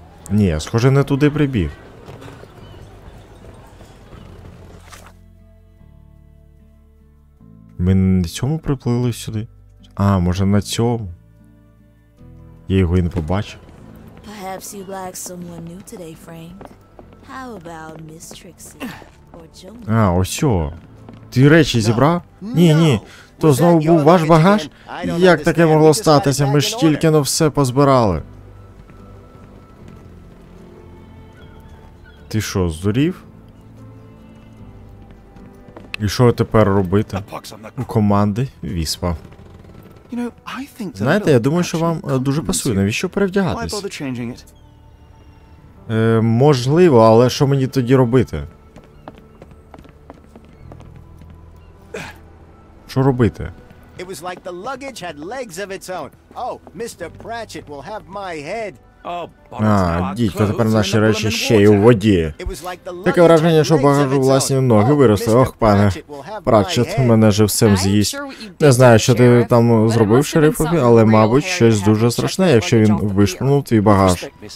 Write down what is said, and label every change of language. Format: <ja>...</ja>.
<uk>Ні, схоже, не туди прибіг. Ми не на цьому приплили сюди? А, може на цьому? Я його і не побачив.</uk> <en>Perhaps you'd like someone new today, Frank. How about Miss Trixie or Jill?</en> <uk>А, ось. Ти речі зібрав? Ні. То знову був ваш багаж? Як таке могло статися? Ми ж тільки-но все позбирали. Ти що, здурів? І що тепер робити? У команди Віспа. Знаєте, я думаю, що вам дуже пасує. Навіщо перевдягатись? Можливо, але що мені тоді робити? Що робити?</uk> <en>It was like the luggage had legs of its own. Oh, Mr. Pratchett will have my head.</en> <uk>Дідько, тепер наші речі ще й у воді. Таке враження, що багажу власні ноги виросли. Ох, пане Пратчет, мене же всем з'їсть. Не знаю, що ти там зробив, шерифові, але, мабуть, щось дуже страшне, якщо він вишпурнув твій багаж.</uk>